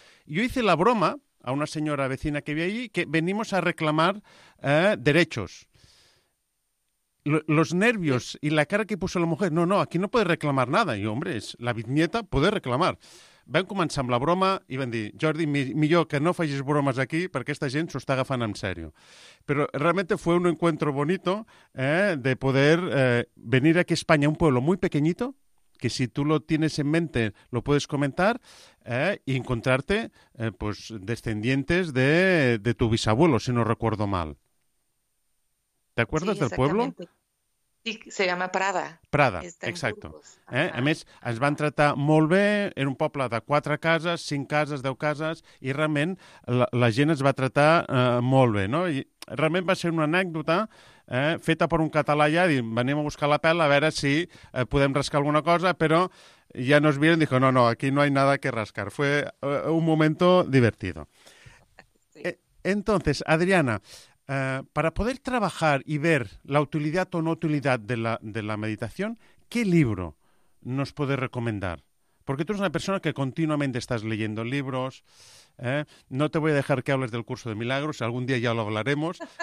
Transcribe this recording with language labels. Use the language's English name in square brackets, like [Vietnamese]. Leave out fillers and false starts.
[Spanish] Yo hice la broma a una señora vecina que vi allí que venimos a reclamar derechos. Los nervios y la cara que puso la mujer, no, aquí no puede reclamar nada. Y hombre, es la bisnieta, puede reclamar. [Catalan] Vam començar amb la broma i vam dir, Jordi, millor que no facis bromes aquí perquè aquesta gent s'ho està agafant en sèrio. Però realment [Spanish] fue un encuentro bonito de poder venir aquí a Espanya, un pueblo muy pequeñito, que si tú lo tienes en mente lo puedes comentar, y encontrarte pues descendientes de tu bisabuelo, si no recuerdo mal. ¿Te acuerdas sí, del pueblo? Sí, se llama Prada. Prada, exacto. [Catalan] A més, ens van tratar molt bé, era un poble de 4 cases, 5 cases, 10 cases, i realment la gent es va tratar molt bé, no? I realment va ser una anècdota feta per un català allà, dient, venim a buscar la pela a veure si podem rascar alguna cosa, però ja [Spanish] nos vieron, dijo, no, aquí no hay nada que rascar. Fue un momento divertido. Sí. Entonces, Adriana, para poder trabajar y ver la utilidad o no utilidad de la meditación, ¿qué libro nos puedes recomendar? Porque tú eres una persona que continuamente estás leyendo libros. No te voy a dejar que hables del curso de milagros, algún día ya lo hablaremos.